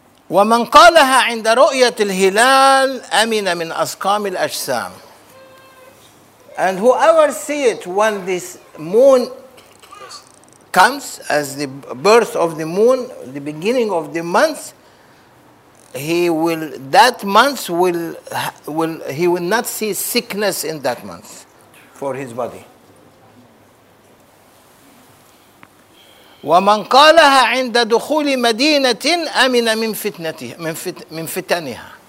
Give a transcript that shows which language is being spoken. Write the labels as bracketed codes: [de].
[ar] ومن قالها عند رؤية الهلال أمن من أسقام الأجسام. [en] And whoever see it when this moon comes as the birth of the moon, the beginning of the month, he will, that month will he will not see sickness in that month for his body. [ar] ومن قالها عند دخول مدينة أمن من فتنته من فتنها.